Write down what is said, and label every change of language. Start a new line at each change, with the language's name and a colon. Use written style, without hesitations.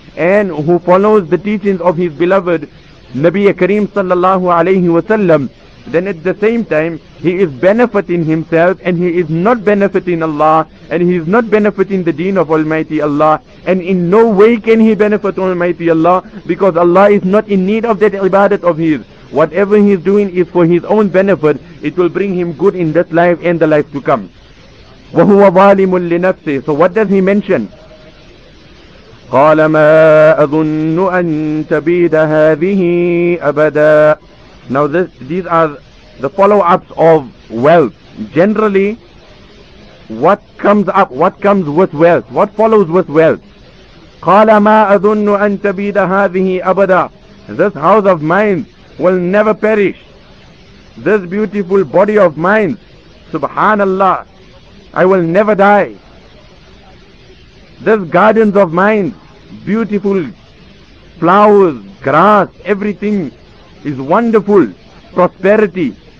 English: and who follows the teachings of his beloved Nabi Kareem sallallahu alayhi wa sallam, then at the same time he is benefiting himself and he is not benefiting Allah and he is not benefiting the deen of Almighty Allah, and in no way can he benefit Almighty Allah, because Allah is not in need of that ibadat of his. Whatever he is doing is for his own benefit. It will bring him good in this life and the life to come.
Arabic: وَهُوَ ظَالِمٌ لِنَفْسِهِ.
English: So what does he mention?
Arabic: قَالَ مَا أَظُنُّ أَن تَبِيدَ هَذِهِ أَبَدًا.
English: Now these are the follow-ups of wealth. Generally, what comes up, what comes with wealth, what follows with wealth?
Arabic: قَالَ مَا أَظُنُّ أَن تَبِيدَ هَذِهِ أَبَدًا.
English: This house of mine will never perish. This beautiful body of mine, subhanallah, I will never die. This gardens of mine, beautiful flowers, grass, everything is wonderful, prosperity.